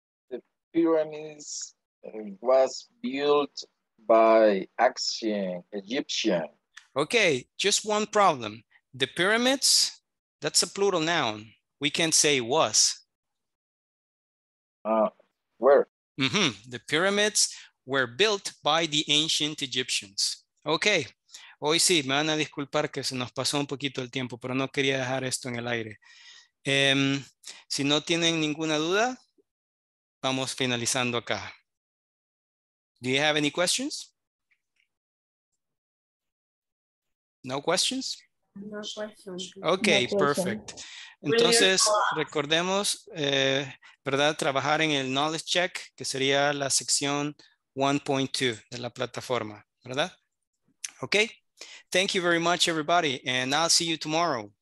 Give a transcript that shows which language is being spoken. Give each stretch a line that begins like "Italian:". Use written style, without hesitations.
English: The pyramids was built by Egyptian. Okay, just one problem. The pyramids, that's a plural noun. We can't say was. Where? The pyramids were built by the ancient Egyptians. Okay.
Spanish: Hoy sí, me van a disculpar que se nos pasó un poquito el tiempo, pero no quería dejar esto en el aire. Si no tienen ninguna duda, vamos finalizando acá.
English: Do you have any questions? No questions? No question. Ok, perfect.
Spanish: Entonces, recordemos, ¿verdad? Trabajar en el knowledge check, que sería la sección 1.2 de la plataforma, ¿verdad?
English: Ok. Thank you very much, everybody, and I'll see you tomorrow.